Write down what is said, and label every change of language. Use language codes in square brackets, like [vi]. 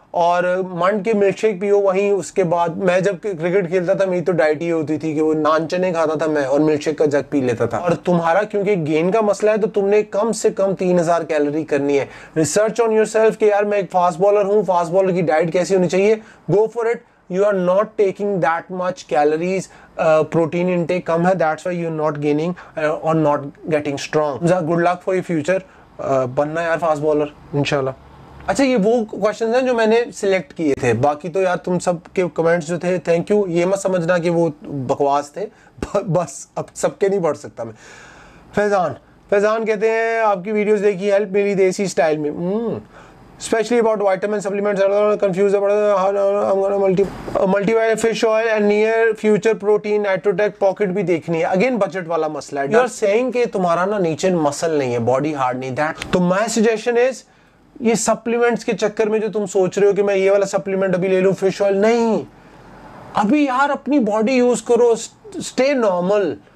[hi] और मंड के मिल्कशेक पियो वहीं उसके बाद. मैं जब क्रिकेट खेलता था मेरी तो डाइट ही होती थी कि वो नान चने खाता था मैं और मिल्कशेक का जग पी लेता था. और तुम्हारा क्योंकि गेन का मसला है तो तुमने कम से कम 3000 कैलोरी करनी है. [en] research on yourself [hi] कि यार मैं एक फास्ट बॉलर हूँ, फास्ट बॉलर की डाइट कैसी होनी चाहिए, [en] Go for it. You are not taking that much calories, [hi] protein intake कम है, [en] that's why you're not gaining or not getting strong. Good luck for your future, बनना यार fast bowler, inshallah. [hi] अच्छा ये वो questions हैं जो मैंने select किए थे, बाकी तो यार तुम सब के comments जो थे [en] thank you. [hi] ये मत समझना कि वो बकवास थे, बस अब सबके नहीं पढ़ सकता मैं. फैजान कहते हैं आपकी videos देखी, help मिली देसी style में. [en] Especially about vitamin supplements, I'm confused about I'm gonna multivitamin fish oil and near future protein nitrotech pocket [hi] भी देखनी है. Again budget वाला मसला है. [en] You are saying [hi] कि तुम्हारा ना नीचे मसल नहीं है, बॉडी हार्ड नहीं है. तो [en] my suggestion is [hi] ये supplements के चक्कर में जो तुम सोच रहे हो कि मैं ये वाला सप्लीमेंट अभी ले लूँ फिश ऑयल, नहीं अभी यार अपनी बॉडी यूज करो, [en] Stay normal.